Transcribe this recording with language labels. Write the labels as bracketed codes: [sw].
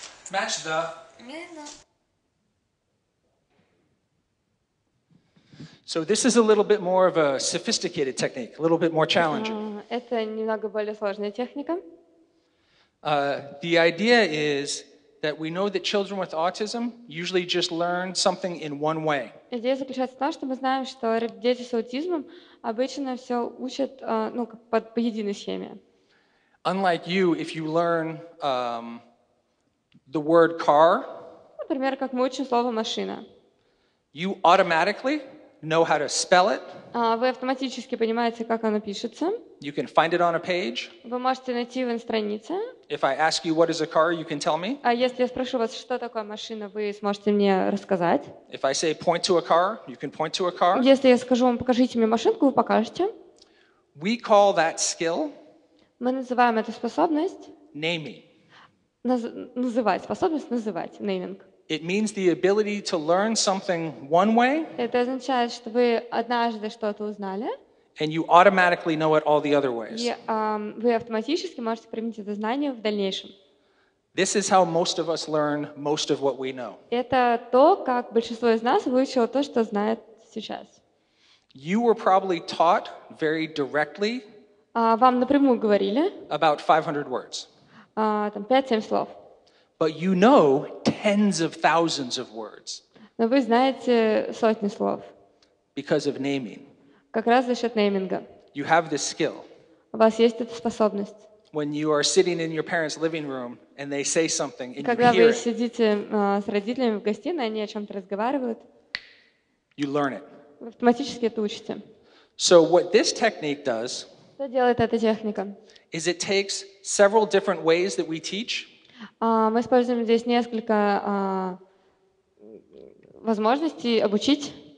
[en] Match the. So this is a little bit more of a sophisticated technique, a little bit more challenging. [ru] Это немного более сложная техника. [en] The idea is that we know that children with autism usually just learn something in one way. [ru] Идея заключается в том, что мы знаем, что дети с аутизмом обычно все учат по единой схеме. [en] Unlike you, if you learn the word car, [ru] например, как мы учим слово машина, [en] you automatically know how to spell it. [ru] Вы автоматически понимаете, как оно пишется. [en] You can find it on a page. [ru] Вы можете найти его на странице. [en] If I ask you what is a car, you can tell me. [ru] А если я спрошу вас, что такое машина, вы сможете мне рассказать. [en] If I say point to a car, you can point to a car. [ru] Если я скажу вам, покажите мне машинку, вы покажете. [en] We call that skill. [ru] Мы называем эту способность. [en] Naming. [ru] Называть, способность называть, naming. [en] It means the ability to learn something one way. [ru] Это означает, что вы однажды что-то узнали. [en] And you automatically know it all the other ways. [ru] И вы автоматически можете применить это знание в дальнейшем. [en] This is how most of us learn most of what we know. [ru] Это то, как большинство из нас выучило то, что знает сейчас. [en] You were probably taught very directly. [ru] Вам напрямую говорили. [en] About 500 words. [ru] Там 5-7 слов. [en] But you know tens of thousands of words. [ru] Но вы знаете сотни слов. [en] Because of naming. [ru] Как раз за счет нейминга. [en] You have this skill. [ru] У вас есть эта способность. [en] When you are sitting in your parents' living room and they say something and [ru] когда [en] you hear [ru] вы сидите с родителями в гостиной, они о чем-то разговаривают. [en] You learn it. [ru] Вы автоматически это учите. [en] So what this technique does? [ru] Что делает эта техника? [en] Is it takes several different ways that we teach. [ru] Мы используем здесь несколько возможностей обучить.